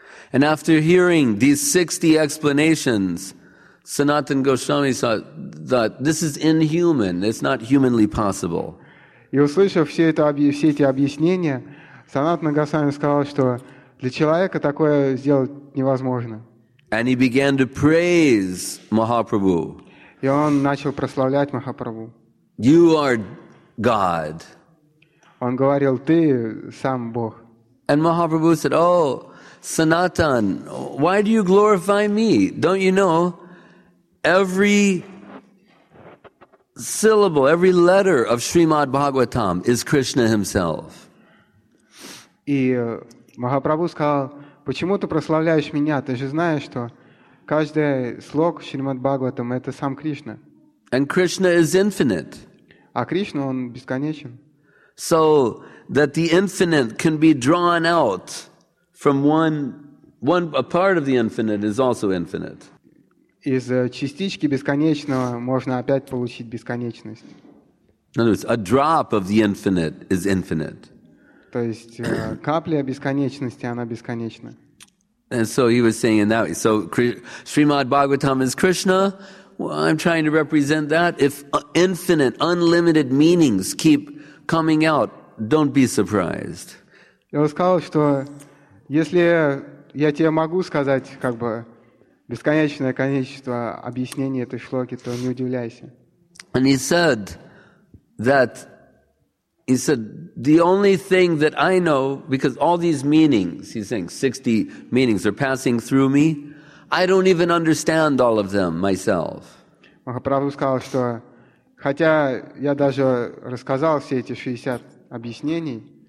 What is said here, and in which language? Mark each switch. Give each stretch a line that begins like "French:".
English: And after hearing these 60 explanations, Sanatan Goswami thought, "This is inhuman. It's not humanly possible."
Russian: И услышав все эти объяснения, Санатана Госвами сказал, что для человека такое сделать невозможно.
English: And he began to praise Mahaprabhu.
Russian: И он начал прославлять Махапрабху.
English: "You are God."
Russian: Он говорил, ты сам Бог.
English: And Mahaprabhu said, "Oh, Sanatan, why do you glorify me? Don't you know every syllable, every letter of Srimad Bhagavatam is Krishna himself?"
Russian: И Махапрабху сказал, почему ты прославляешь меня? Ты же знаешь, что каждый слог Шримад Бхагаватам это сам Кришна.
English: And Krishna is infinite.
Russian: А Кришна, он бесконечен.
English: So that the infinite can be drawn out from one a part of the infinite is also infinite.
Russian: Из частички бесконечного можно опять получить бесконечность.
English: In other words, a drop of the infinite is infinite.
Russian: То есть капля бесконечности, она бесконечна.
English: And so he was saying in that way. So Srimad Bhagavatam is Krishna. Well, I'm trying to represent that. If infinite, unlimited meanings keep coming out, don't be surprised.
Russian: Я сказал, что если я тебе могу сказать как бы бесконечное количество объяснений этой шлоки, то не удивляйся.
English: And he said that he said the only thing that I know, because all these meanings, he's saying 60 meanings are passing through me, I don't even understand all of them myself.
Russian: Махапрабху сказал, что хотя я даже рассказал все эти 60 объяснений,